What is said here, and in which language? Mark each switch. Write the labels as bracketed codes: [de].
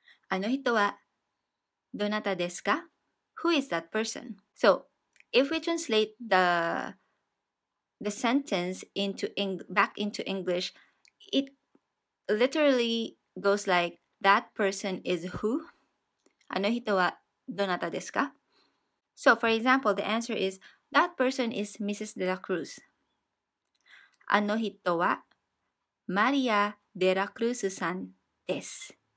[ja] あの人はどなたですか? [en] Who who is that person? So, if we translate the sentence back into English, it literally goes like, that person is who? [ja] あの人はどなたですか? [en] So, for example, the answer is, that person is Mrs. De La Cruz. [ja] あの人はマリア・デラクルスさんです。